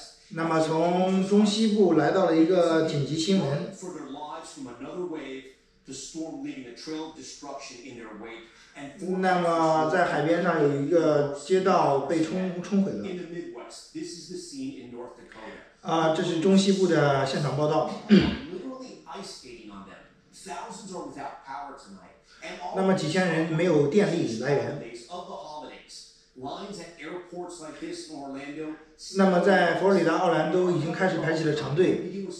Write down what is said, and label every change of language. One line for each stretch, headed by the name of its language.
Chinese: 那么从中西部来到了一个紧急新闻。
English: For their lives from another wave, the storm leaving a trail of destruction in their wake.
Chinese: 那么在海边上有一个街道被冲毁了。
English: In the Midwest, this is the scene in North Dakota.
Chinese: 这是中西部的现场报道。
English: Literally ice skating on them. Thousands are without power tonight.
Chinese: 那么几千人没有电力来源。
English: Lines at airports like this in Orlando.
Chinese: 那么在佛罗里达奥兰多已经开始排起了长队。